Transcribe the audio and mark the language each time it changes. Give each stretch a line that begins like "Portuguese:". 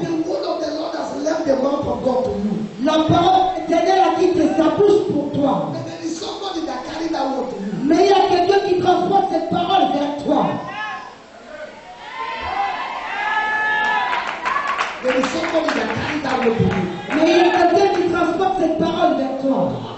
English: The word of the Lord has left the mouth of God to you.
French: La parole éternelle a quitté sa bouche pour toi.
English: But there is somebody that carried that word to you.
French: Mais il y a quelqu'un qui transporte cette parole vers toi.
English: There is somebody that carried that word to you.
French: Mais il y a quelqu'un qui transporte cette parole vers toi.